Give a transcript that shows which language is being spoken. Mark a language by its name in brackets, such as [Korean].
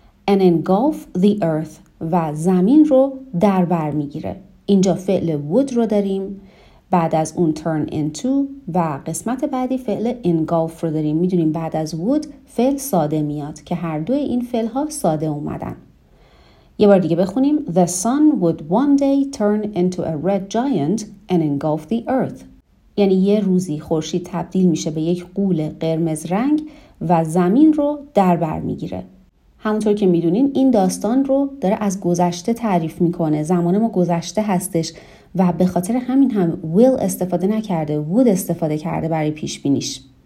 [English] And engulf the earth [Persian] و زمین رو در بر میگیره. اینجا فعل would رو داریم، بعد از اون turn into و قسمت بعدی فعل engulf رو داریم. میدونیم بعد از would فعل ساده میاد که هر دوی این فعل ها ساده اومدن. یه بار دیگه بخونیم. [English] The sun would one day turn into a red giant and engulf the earth. [Persian] یعنی یه روزی خورشید تبدیل میشه به یک غول قرمز رنگ و زمین رو در بر میگیره. همونطور که میدونین این داستان رو داره از گذشته تعریف میکنه. زمان ما گذشته هستش و به خاطر همین هم will استفاده نکرده، would استفاده کرده برای پیش بینیش.